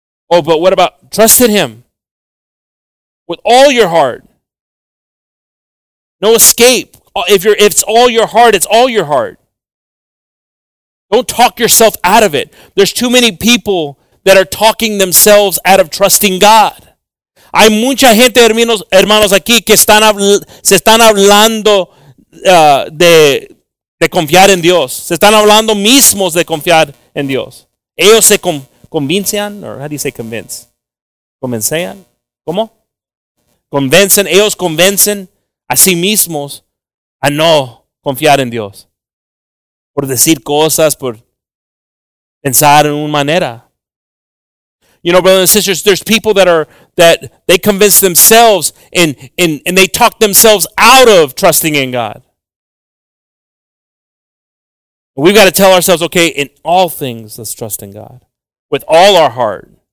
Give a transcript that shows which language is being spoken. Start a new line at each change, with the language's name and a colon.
English: Oh, but what about trust in Him with all your heart? No escape. If it's all your heart, it's all your heart. Don't talk yourself out of it. There's too many people that are talking themselves out of trusting God.
Spanish: Hay mucha gente, hermanos aquí, que se están hablando de confiar en Dios. Se están hablando mismos de confiar en Dios. Ellos se convencen,
English: or how do you say convince?
Spanish: ¿Convencean? ¿Cómo? Convencen, ellos convencen a sí mismos a no confiar en Dios. Por decir cosas, por pensar en una manera.
English: You know, brothers and sisters, there's people that they convince themselves and they talk themselves out of trusting in God. We've got to tell ourselves, okay, in all things, let's trust in God. With all our heart.